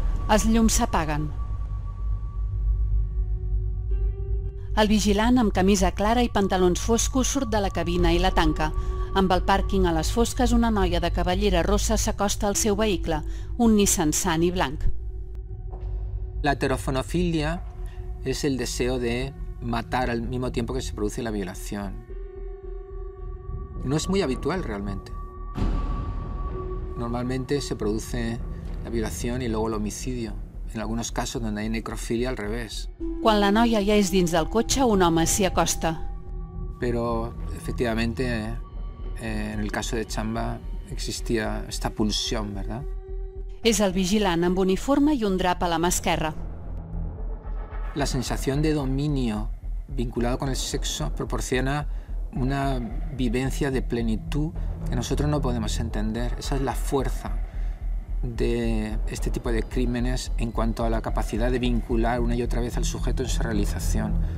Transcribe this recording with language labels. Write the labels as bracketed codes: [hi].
[ca] Els llums s'apaguen. El vigilant, amb camisa clara i pantalons foscos, surt de la cabina i la tanca. Amb el pàrquing a les fosques, una noia de cabellera rossa s'acosta al seu vehicle, un Nissan Sunny blanc. [es] La heterofonofilia és el deseo de matar al mismo tiempo que se produce la violación. No es muy habitual, realmente. Normalmente se produce la violación y luego el homicidio. En algunos casos donde hay necrofilia, al revés. [ca] Quan la noia ja és dins del cotxe, un home s'hi acosta. [es] Pero, efectivamente, en el caso de Xamba existía esta pulsión, ¿verdad? [ca] És el vigilant amb uniforme i un drap a la mà esquerra. [es] La sensación de dominio vinculado con el sexo proporciona una vivencia de plenitud que nosotros no podemos entender. Esa es la fuerza de este tipo de crímenes en cuanto a la capacidad de vincular una y otra vez al sujeto en su realización.